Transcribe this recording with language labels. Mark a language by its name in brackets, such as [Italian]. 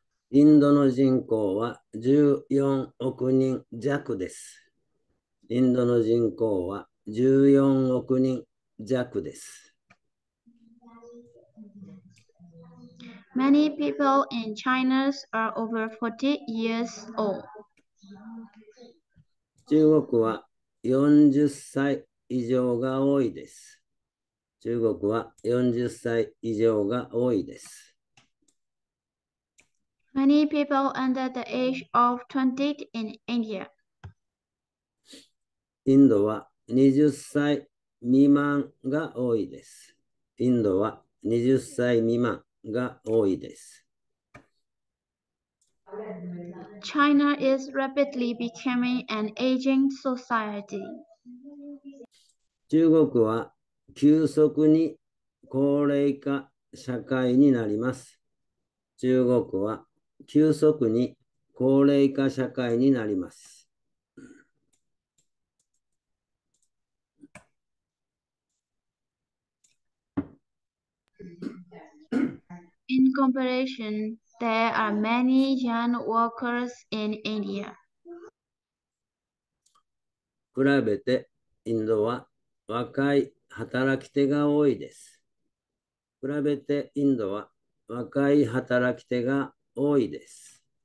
[Japanese] インドの人口は14億人弱です。インドの人口は14億人弱です。 [English] Many people in China are over 40 years old. [Japanese] 中国は40歳以上が多いです。中国は40歳以上が多いです。 [English] Many people under the age of 20 in India. [Japanese] インドは20歳未満が多いです。インドは20歳未満が多いです。 [English] China is rapidly becoming an aging society. [Japanese] 中国は急速に高齢化社会になります。中国は急速に高齢化社会になります。 [English] In comparison, there are many young workers in India. [Japanese] 比べてインドは若い働き手が多いです。比べてインドは若い働き手が多いです。